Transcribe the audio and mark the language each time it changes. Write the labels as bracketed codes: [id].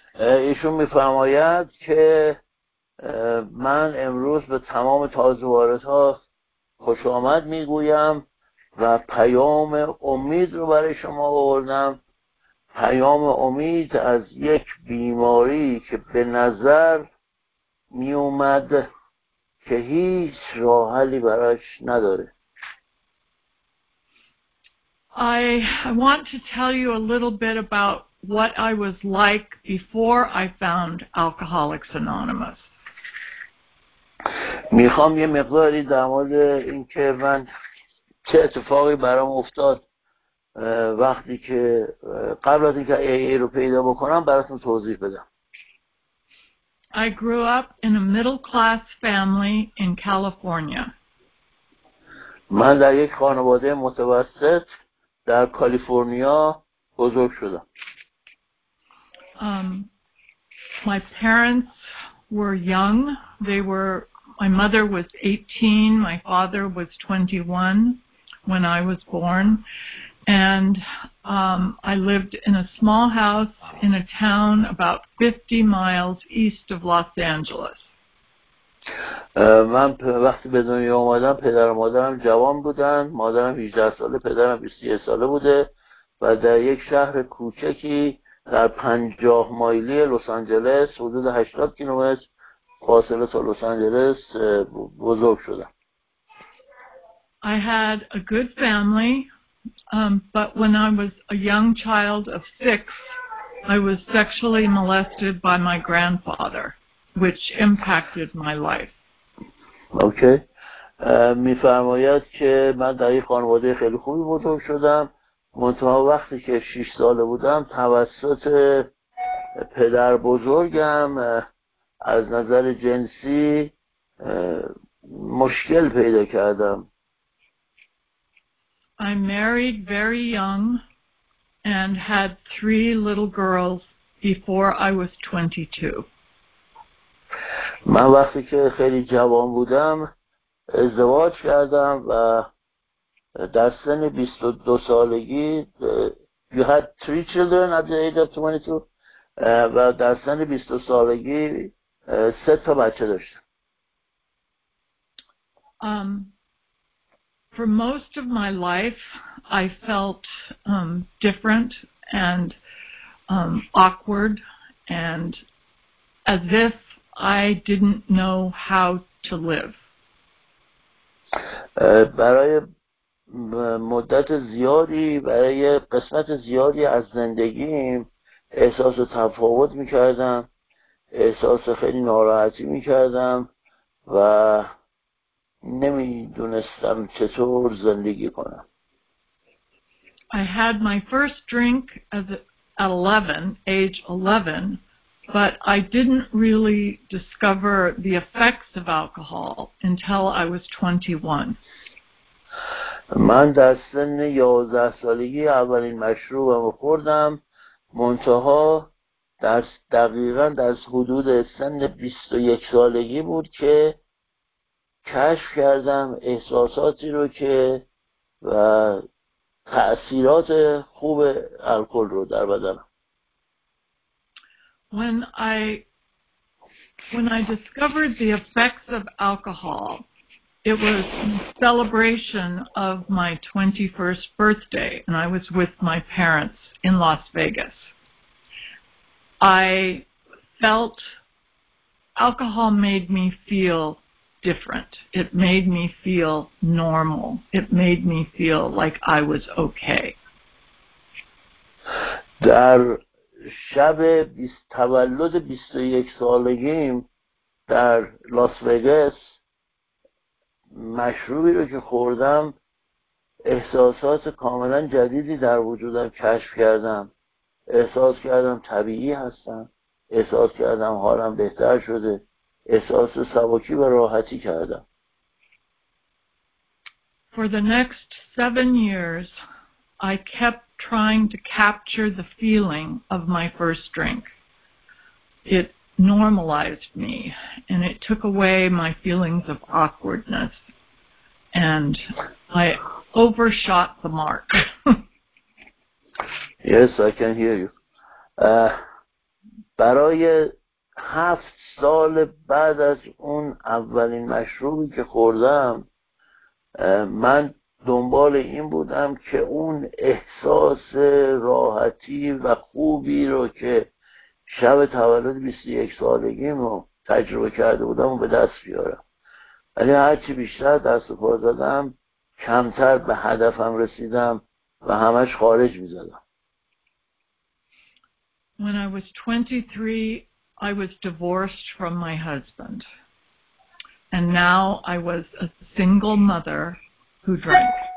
[fa] ایشون میفرماید که من امروز به تمام تازه واردها خوش آمد میگویم و پیام امید رو برای شما آوردم. پیام امید از یک بیماری که به نظر می اومد که هیچ راه حلی براش نداره. [en] I want to tell you a little bit about what I was like before I found Alcoholics Anonymous. [fa] میخوام یه مقداری در مورد این که من چه اتفاقی برام افتاد وقتی که قبل از اینکه AA رو پیدا بکنم براتون توضیح بدم. [en] I grew up in a middle class family in California. [fa] من در یک خانواده متوسط در کالیفرنیا بزرگ شدم. [en] My parents were young. My mother was 18, my father was 21 when I was born. And I lived in a small house in a town about 50 miles east of Los Angeles. [fa] من وقتی به دنیا اومدم پدر و مادرم جوان بودن. مادرم 18 ساله، پدرم 23 ساله بوده و در یک شهر کوچکی در 50 مایلی لس آنجلس، حدود 80 کیلومتر فاصله تا لس آنجلس بزرگ شدم. [en] I had a good family, but when I was a young child of 6, I was sexually molested by my grandfather, which impacted my life. Okay. [fa] می‌فرماید که من در یک خانواده خیلی خوبی بزرگ شدم. منتها وقتی که 6 ساله بودم توسط پدر بزرگم از نظر جنسی مشکل پیدا کردم. [en] I married very young and had 3 little girls before I was 22. [fa] من وقتی که خیلی جوان بودم ازدواج کردم و در سن 22 سالگی [en] you had 3 children at the age of 22 [fa] و در سن 22 سالگی 3 تا بچه داشتم. [en] For most of my life I felt different and awkward and as if I didn't know how to live. [fa] برای مدت زیادی، برای قسمت زیادی از زندگیم احساس تفاوت میکردم، احساس خیلی ناراحتی میکردم و نمیدونستم چطور زندگی کنم. [en] I had my first drink at 11, age 11, but I didn't really discover the effects of alcohol until I was 21. [fa] من در سن 11 سالگی اولین مشروبم رو خوردم، منتها دقیقاً در حدود سن 21 سالگی بود که کشف کردم احساساتی رو که و تأثیرات خوب الکل رو در بدنم. [en] When I discovered the effects of alcohol, it was a celebration of my 21st birthday, and I was with my parents in Las Vegas. I felt alcohol made me feel different. It made me feel normal. It made me feel like I was okay. [fa] در شب تولد 21 سالگیم در لاس وگاس مشروبی رو که خوردم احساسات کاملا جدیدی در وجودم کشف کردم، احساس کردم طبیعی هستم، احساس کردم حالم بهتر شده، احساس سبکی و راحتی کردم. [en] For the next 7 years, I kept trying to capture the feeling of my first drink. It normalized me, and it took away my feelings of awkwardness, and I overshot the mark. Yes, I can hear you. [fa] برای 7 سال بعد از اون اولین مشروبی که خوردم، من دنبال این بودم که اون احساس راحتی و خوبی رو که شب تولد 21 سالگیم رو تجربه کرده بودم و به دست بیارم. ولی هرچی بیشتر دست و پا زدم، کمتر به هدفم رسیدم و همش خارج می‌زدم. [en] When I was 23, I was divorced from my husband. And now I was a single mother who drank.